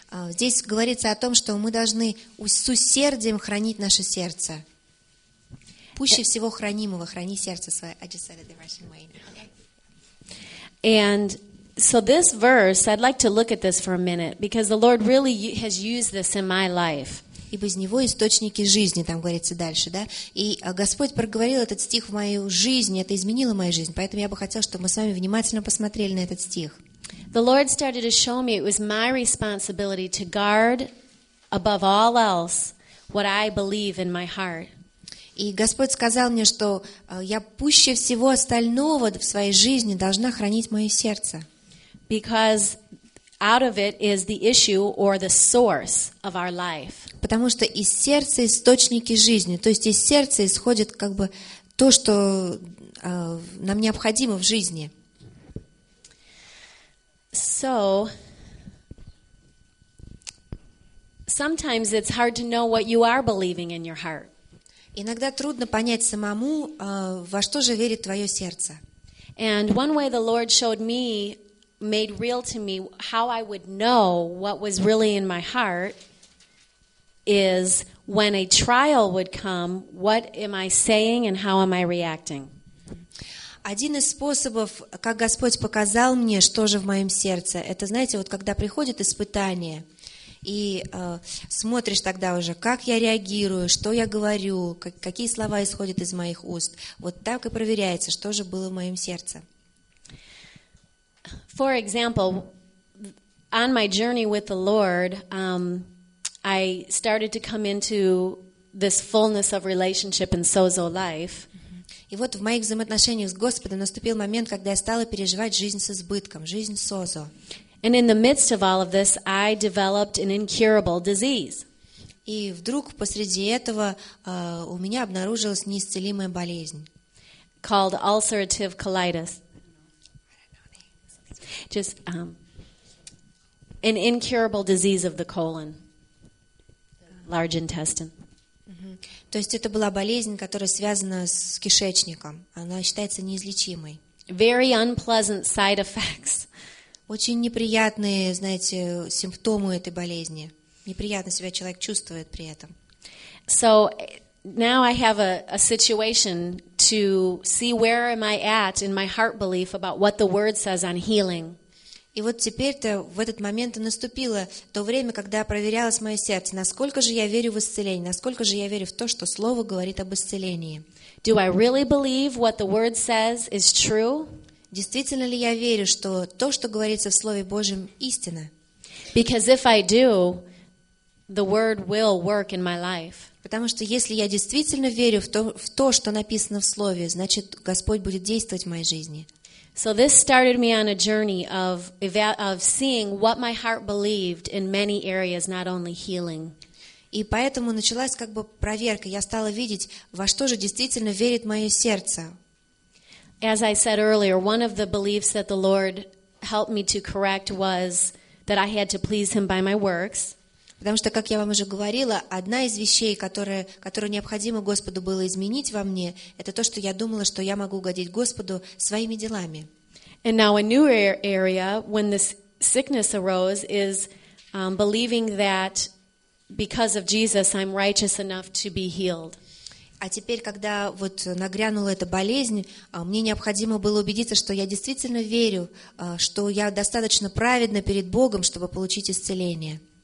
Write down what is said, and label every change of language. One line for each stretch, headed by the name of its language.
Russian: Здесь говорится о том, что мы должны с усердием хранить наше сердце. Пуще всего хранимого, храни сердце свое.
English: I just said it the Russian way. And so this verse, I'd like to look at this for a minute because the Lord really has used this in my life.
Russian: Ибо из него источники жизни, там говорится дальше, да? И Господь проговорил этот стих в мою жизнь, это изменило мою жизнь. Поэтому я бы хотел, чтобы мы с вами внимательно посмотрели на этот стих.
English: The Lord started to show me it was my responsibility to guard above all else what I believe in my heart.
Russian: И Господь сказал мне, что я пуще всего остального в своей жизни должна хранить мое сердце.
English: Because out of it is the issue or the source of our life.
Russian: Потому что из сердца источники жизни. То есть из сердца исходит как бы то, что нам необходимо в жизни.
English: So, sometimes it's hard to know what you are believing in your heart.
Russian: Иногда трудно понять самому, во что же верит твое сердце.
English: And one way the Lord showed me, made real to me, how I would know what was really in my heart is when a trial would come, what am I saying and how am I reacting?
Russian: Один из способов, как Господь показал мне, что же в моем сердце, это, знаете, вот когда приходит испытание, и смотришь тогда уже, как я реагирую, что я говорю, какие слова исходят из моих уст. Вот так и проверяется, что же было в моем сердце.
English: For example, on my journey with the Lord, I started to come into this fullness of relationship and sozo life.
Russian: И вот в моих взаимоотношениях с Господом наступил момент, когда я стала переживать жизнь с избытком, жизнь созо.
English: And in the midst of all of this, I developed an incurable disease.
Russian: И вдруг посреди этого у меня обнаружилась неисцелимая болезнь.
English: Called ulcerative colitis. Just an incurable disease of the colon, large intestine.
Russian: То есть это была болезнь, которая связана с кишечником. Она считается неизлечимой.
English: Very unpleasant side effects.
Russian: Очень неприятные, знаете, симптомы этой болезни. Неприятно себя человек чувствует при этом.
English: So now I have a situation to see where am I at in my heart belief about what the word says on healing.
Russian: И вот теперь-то в этот момент и наступило то время, когда проверялось мое сердце, насколько же я верю в исцеление, насколько же я верю в то, что слово говорит об исцелении.
English: Do I really believe what the word says is true?
Russian: Действительно ли я верю, что то, что говорится в Слове Божьем, истина?
English: Because if I do, the word will work in my life.
Russian: Потому что если я действительно верю в то, что написано в Слове, значит, Господь будет действовать в моей жизни.
English: So this started me on a journey of seeing what my heart believed in many areas, not only healing.
Russian: И поэтому началась как бы проверка. Я стала видеть, во что же действительно верит мое сердце.
English: As I said earlier, one of the beliefs that the Lord helped me to correct was that I had to please Him by my works.
Russian: Потому что, как я вам уже говорила, одна из вещей, которую необходимо Господу было изменить во мне, это то, что я думала, что я могу угодить Господу своими делами.
English: And now a new area when this sickness arose is believing that because of Jesus I'm righteous enough to be healed.
Russian: А теперь, когда вот нагрянула эта болезнь, мне необходимо было убедиться, что я действительно верю, что я достаточно праведна перед Богом, чтобы получить исцеление.